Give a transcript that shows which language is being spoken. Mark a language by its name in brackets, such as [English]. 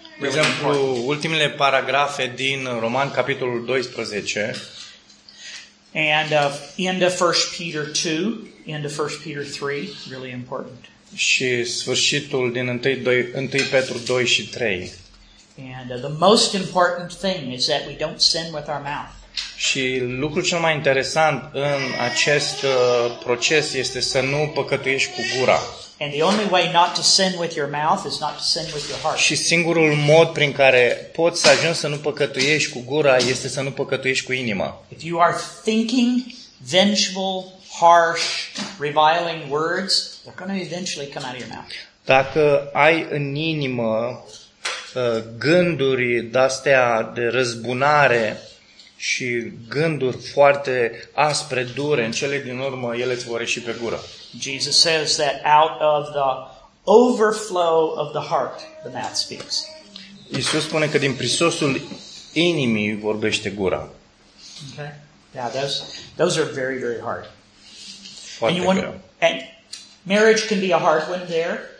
[Romanian] De exemplu, ultimele paragrafe din Roman capitolul 12. [English] And end of 1 Peter 2, end of 1 Peter 3, really important. [Romanian] Și sfârșitul din 1 Petru 2 și 3. [English] And the most important thing is that we don't sin with our mouth. [Romanian] Și lucrul cel mai interesant în acest proces este să nu păcătuiești cu gura. [English] And the only way not to sin with your mouth is not to sin with your heart. [Romanian] Și singurul mod prin care poți să ajungi să nu păcătuiești cu gura este să nu păcătuiești cu inima. [English] If you are thinking vengeful, harsh, reviling words, they're going to eventually come out of your mouth. [Romanian] Dacă ai în inimă gânduri d-astea de răzbunare și gânduri foarte aspre, dure, în cele din urmă ele îți vor ieși pe gură. [English] Jesus says that out of the overflow of the heart, the mouth speaks. [Romanian] Iisus spune că din prisosul inimii vorbește gura. [English] Okay. Yeah, those are very, very hard. And marriage can be a hard one there.